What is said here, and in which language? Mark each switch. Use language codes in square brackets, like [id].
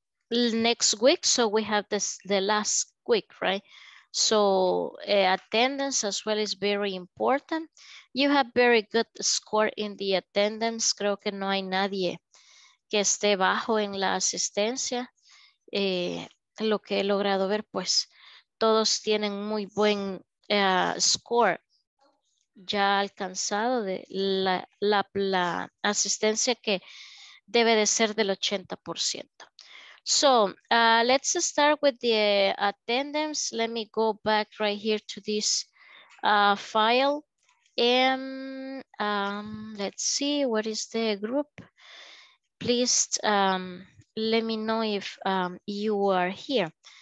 [en] Next week, so we have this, the last week, right? So attendance as well is very important. You have very good score in the attendance. [es] Creo que no hay nadie que esté bajo en la asistencia, lo que he logrado ver, pues todos tienen muy buen score ya alcanzado de la asistencia que debe de ser del 80%. [en] So, let's start with the attendance. Let me go back right here to this file. And let's see, what is the group? Please let me know if you are here.